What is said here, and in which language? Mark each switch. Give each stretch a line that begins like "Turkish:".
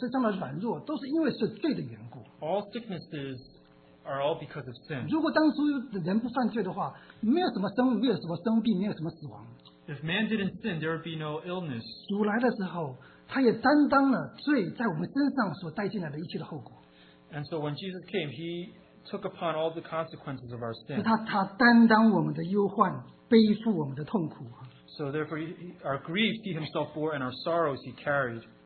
Chinese: 真的，所有的生病啊，所有的身上的软弱，都是因为是罪的缘故。
English: All sicknesses are all because of sin.
Chinese: 如果当初人不犯罪的话，没有什么生病，没有什么死亡。
English: If man didn't sin, there would be no illness.
Chinese: 主来的时候，他也担当了罪在我们身上所带进来的一切的后果。
English: And so when Jesus came, he took upon all the consequences of our sin.
Chinese: 他担当我们的忧患，背负我们的痛苦。
English: So therefore, our grief he himself bore and our sorrows he carried.